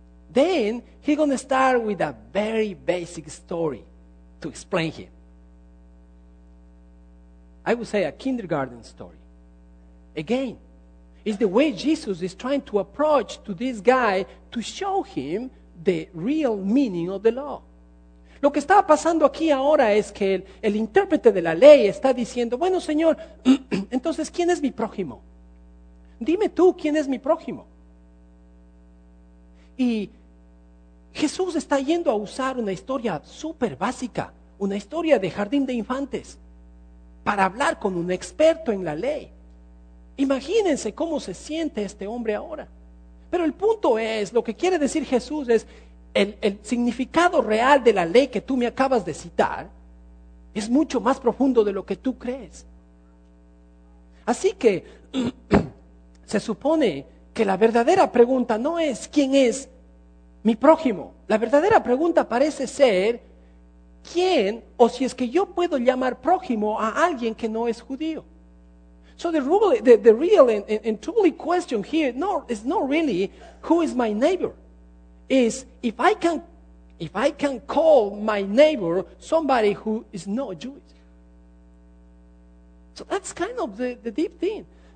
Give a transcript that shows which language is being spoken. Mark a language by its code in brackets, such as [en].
[en] Then he's going to start with a very basic story to explain him. I would say a kindergarten story. Again, it's the way Jesus is trying to approach to this guy to show him the real meaning of the law. [es] Lo que está pasando aquí ahora es que el intérprete de la ley está diciendo, bueno, señor, entonces, ¿quién es mi prójimo? Dime tú, ¿quién es mi prójimo? Y Jesús está yendo a usar una historia súper básica, una historia de jardín de infantes, para hablar con un experto en la ley. Imagínense cómo se siente este hombre ahora. Pero el punto es, lo que quiere decir Jesús es, el significado real de la ley que tú me acabas de citar es mucho más profundo de lo que tú crees. Así que Se supone que la verdadera pregunta no es quién es mi prójimo. La verdadera pregunta parece ser quién o si es que yo puedo llamar prójimo a alguien que no es judío. [en] So the real and truly question here is not really who is my neighbor. Is if I can call my neighbor somebody who is not Jewish. So that's kind of the deep thing.